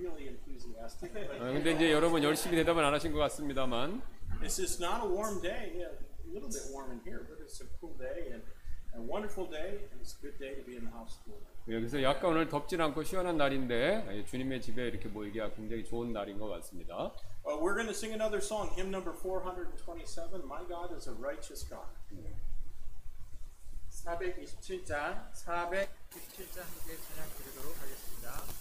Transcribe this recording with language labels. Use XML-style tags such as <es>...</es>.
<ko>근데 이제 여러분 열심히 대답은 안 하신 것 같습니다만.</ko> <en>This is not a warm day. Yeah, a little bit warm in here, but it's a cool day and a wonderful day. And it's a good day to be in the house of the Lord.</en> <ko>여기서 약간 오늘 덥진 않고 시원한 날인데 주님의 집에 이렇게 모이기가 굉장히 좋은 날인 것 같습니다.</ko> <en>We're going to sing another song, hymn number 427. My God is a righteous God.</en> <ko>427장 함께 찬양 드리도록 하겠습니다.</ko>